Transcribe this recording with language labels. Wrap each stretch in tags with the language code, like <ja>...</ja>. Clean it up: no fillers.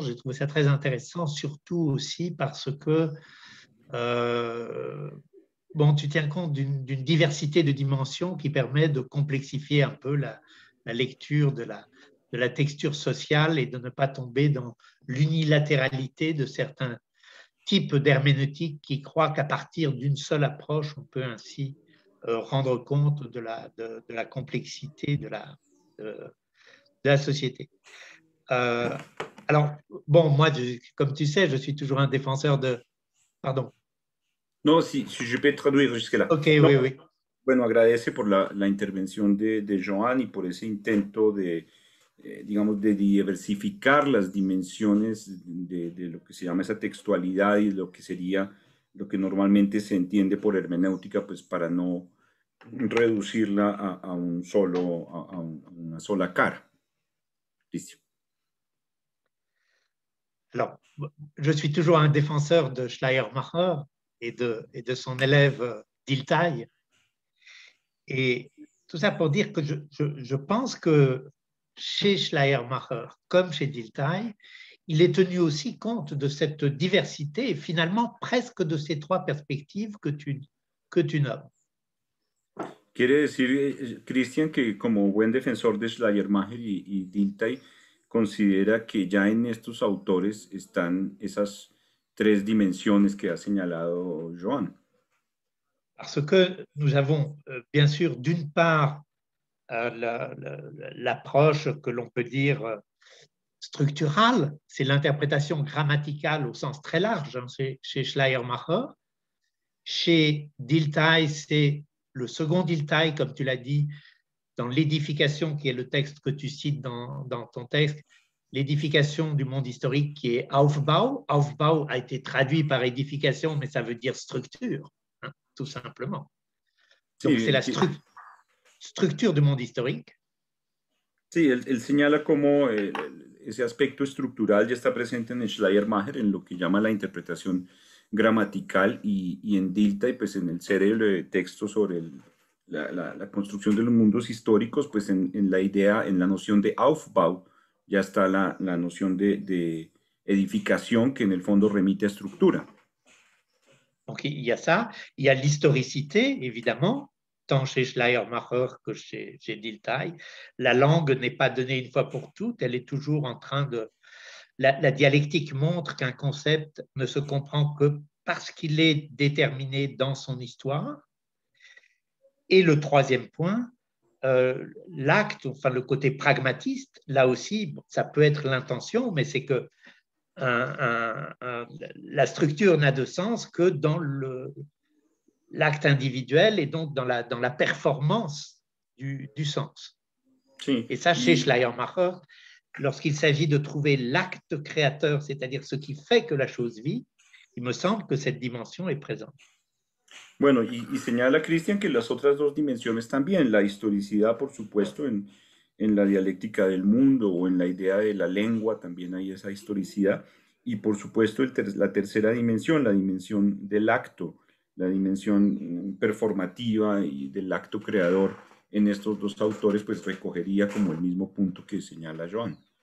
<fr>J'ai trouvé ça très intéressant, surtout aussi parce que bon, tu tiens compte d'une diversité de dimensions qui permet de complexifier un peu la lecture de la texture sociale et de ne pas tomber dans l'unilatéralité de certains types d'herméneutiques qui croient qu'à partir d'une seule approche, on peut ainsi rendre compte de la complexité de la société. Alors, bon, moi, comme tu sais, je suis toujours un défenseur de... Pardon. Non, si je peux traduire jusque-là. Ok, non. Oui.</fr> <es>Bueno, agradecer por la intervención de Johan y por ese intento de, digamos, de diversificar las dimensiones de lo que se llama esa textualidad y lo que sería lo que normalmente se entiende por hermenéutica, pues para no reducirla a una sola cara. Listo.</es> <fr>Alors, je suis toujours un défenseur de Schleiermacher et de son élève Diltai. Et tout ça pour dire que je pense que chez Schleiermacher, comme chez Diltai, il est tenu aussi compte de cette diversité, et finalement presque de ces trois perspectives que tu nommes.</fr> <es>Quiere decir, Christian, que como buen defensor de Schleiermacher y Diltai, considera que ya en estos autores están esas tres dimensiones que ha señalado Joan.</es> <fr>Parce que nous avons bien sûr d'une part l'approche que l'on peut dire structurale, c'est l'interprétation grammaticale au sens très large chez Schleiermacher. Chez Diltai, c'est le second Diltai, comme tu l'as dit, dans l'édification qui est le texte que tu cites dans ton texte, l'édification du monde historique qui est Aufbau. Aufbau a été traduit par édification, mais ça veut dire structure, hein, tout simplement. Donc, sí, c'est la structure du monde historique.</fr> <es>Sí, él señala cómo ese aspecto estructural ya está presente en Schleiermacher, en lo que llama la interpretación gramatical, y en Diltai, pues en el cerebro de texto sobre la construcción de los mundos históricos, pues en la idea, en la noción de Aufbau, ya está la noción de edificación, que en el fondo remite a estructura.</es> <fr>Ok, y a ça, y a l'historicité, évidemment. Tant chez Schleiermacher que chez Diltai, la langue n'est pas donnée une fois pour toutes, elle est toujours en train de... La dialectique montre qu'un concept ne se comprend que parce qu'il est déterminé dans son histoire. Et le troisième point, l'acte, enfin le côté pragmatiste, là aussi, bon, ça peut être l'intention, mais c'est que la structure n'a de sens que dans l'acte individuel et donc dans la performance du sens. Oui. Et ça, chez Schleiermacher, lorsqu'il s'agit de trouver l'acte créateur, c'est-à-dire ce qui fait que la chose vit, il me semble que cette dimension est présente.</fr> <es>Bueno, y señala Cristian que las otras dos dimensiones también, la historicidad, por supuesto, en la dialéctica del mundo o en la idea de la lengua, también hay esa historicidad, y por supuesto la tercera dimensión, la dimensión del acto, la dimensión performativa y del acto creador en estos dos autores, pues recogería como el mismo punto que señala Joan.</es>